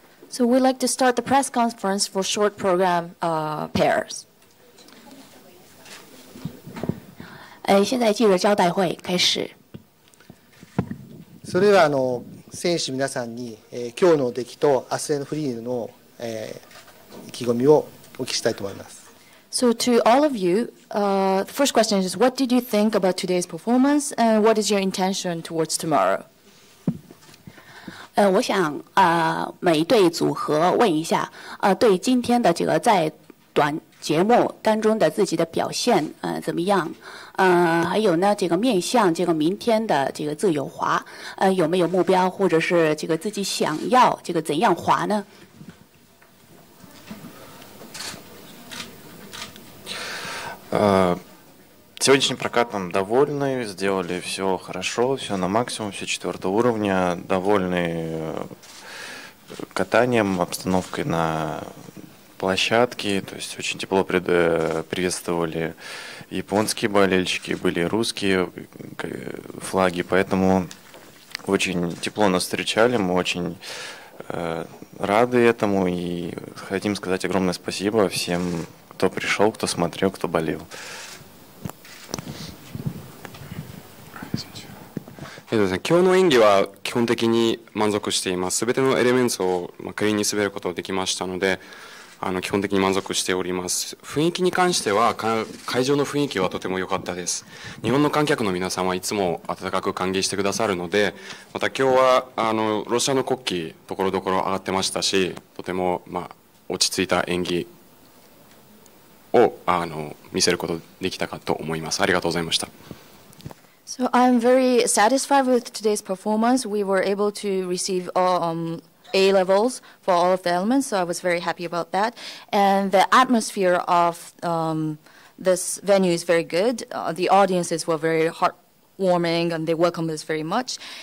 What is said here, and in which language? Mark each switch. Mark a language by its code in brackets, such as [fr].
[en] So we'd like to start the press conference for short program pairs. [zh] 現在記者招待会開始。 [ja] それでは、選手皆さんに、今日の出来と明日のフリーの、意気込みをお聞きしたいと思います。 [en] So to all of you, the first question is, what did you think about today's performance, and what is your intention towards tomorrow? [zh] 我想每一对组合问一下对今天的这个在短节目当中的自己的表现怎么样还有呢这个面向这个明天的这个自由滑有没有目标或者是这个自己想要这个怎样滑呢 [ru] Сегодняшний прокат нам довольны, сделали все хорошо, все на максимум, все четвертого уровня, довольны катанием, обстановкой на площадке, то есть очень тепло приветствовали японские болельщики, были русские флаги, поэтому очень тепло нас встречали, мы очень рады этому и хотим сказать огромное спасибо всем, кто пришел, кто смотрел, кто болел. [ja] 今日の演技は基本的に満足しています。全てのエレメンツをクリーンに滑ることができましたので、基本的に満足しております。雰囲気に関しては、会場の雰囲気はとても良かったです。日本の観客の皆さんはいつも温かく歓迎してくださるので、また今日はロシアの国旗、ところどころ上がってましたし、とても、落ち着いた演技を見せることができたかと思います。ありがとうございました。 [en] So I'm very satisfied with today's performance. We were able to receive A levels for all of the elements, so I was very happy about that. And the atmosphere of this venue is very good. The audiences were very heartwarming, and they welcomed us very much.